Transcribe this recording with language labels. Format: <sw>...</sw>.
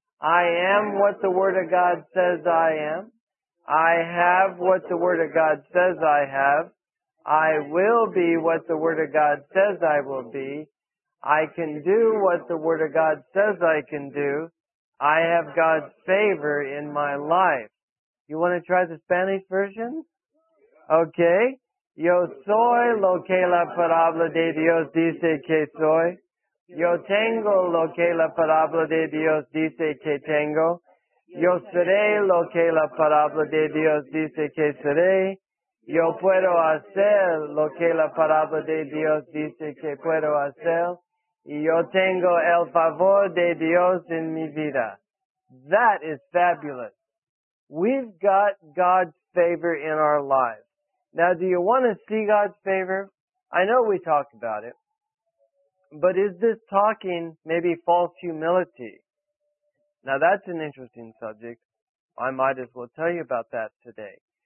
<en>I am what the Word of God says I am. I have what the Word of God says I have. I will be what the Word of God says I will be. I can do what the Word of God says I can do. I have God's favor in my life. You want to try the Spanish version? Okay.</en> <es>Yo soy lo que la palabra de Dios dice que soy. Yo tengo lo que la palabra de Dios dice que tengo. Yo seré lo que la palabra de Dios dice que seré. Yo puedo hacer lo que la palabra de Dios dice que puedo hacer. Y yo tengo el favor de Dios en mi vida.</es> <en>That is fabulous. We've got God's favor in our lives. Now, do you want to see God's favor? I know we talk about it. But is this talking maybe false humility? Now that's an interesting subject. I might as well tell you about that today.</en>